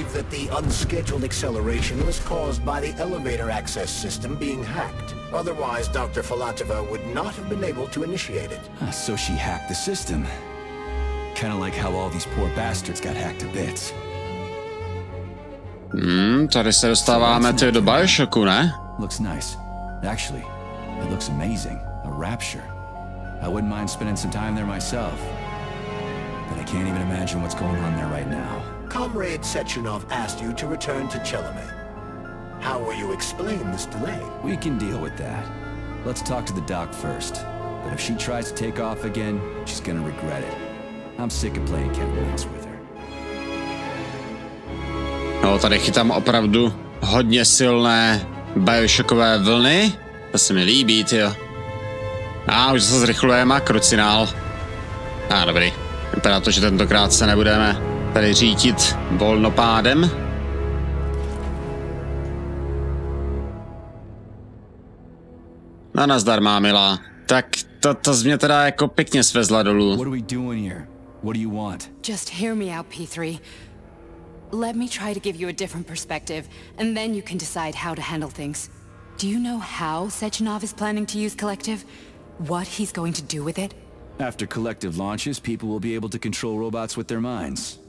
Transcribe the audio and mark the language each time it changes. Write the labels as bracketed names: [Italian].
[English] The unscheduled acceleration was caused by the elevator access system being hacked. Otherwise, Dr. Filatova would not have been able to initiate it. So she hacked the system. Kind of like how all these poor bastards got hacked to bits. [Czech] Tady se dostáváme tedy do Bioshocku, ne? [English] Looks nice. Actually, it looks amazing. A rapture. I wouldn't mind spending some time there myself. But I can't even imagine what's going on there right now. Comrade Sechenov asked you to return to Chelome. How will you explain this delay? We can deal with that. Let's talk to the doc first. But if she tries to take off again, she's gonna regret it. I'm sick of playing cat and mouse with her. [Czech] No, tady chytám opravdu hodně silné Bioshockové vlny. To se mi líbí, tyjo. Už se zrychlujeme, krucinál. Dobrý. Vypadá to, že tentokrát se nebudeme tady řídit volnopádem. No nazdar, má milá. Tak to z mě teda jako pěkně svezla dolů. [English] What are we doing here? What do you want? Just hear me out, P3. Let me try to give you a different perspective, and then you can decide how to handle things. Do you know how Sechenov is planning to use Collective? What he's going to do with it? After Collective launches, people will be able to control robots with their minds.